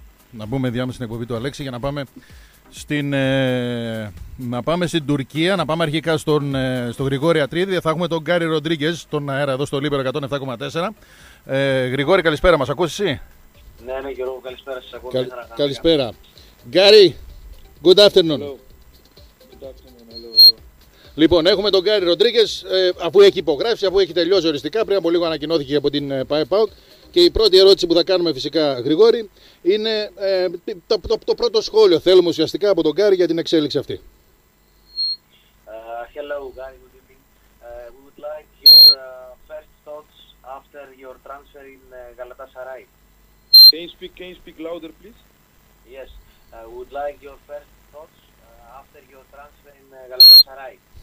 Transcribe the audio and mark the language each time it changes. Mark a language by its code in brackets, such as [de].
[el] να μπούμε διάμεσα στην εκπομπή του Αλέξη για να πάμε στην, να πάμε στην Τουρκία, να πάμε αρχικά στον, στον Γρηγόρη Ατρίδη. Θα έχουμε τον Γκάρι Ροντρίγκες στον αέρα εδώ στο Λίπερο 107,4. Γρηγόρη, καλησπέρα, μας ακούς εσύ? Ναι, Γιώργο, καλησπέρα, σας ακούω. Καλησπέρα. [en] Γκάρι, good afternoon. [el] Λοιπόν, έχουμε τον Γκάρι Ροντρίγκες, αφού έχει υπογράψει, αφού έχει τελειώσει οριστικά, πριν από λίγο ανακοινώθηκε από την ΠΑΕΠΑΟΚ. Και η πρώτη ερώτηση που θα κάνουμε φυσικά, Γρηγόρη, είναι το πρώτο σχόλιο θέλουμε ουσιαστικά από τον Γκάρι για την εξέλιξη αυτή. [en] Hello, Gary, good evening. We would like your first thoughts after your transfer in Galatasaray. Can you speak louder, please? Yes, we would like your first thoughts after your transfer in Galatasaray.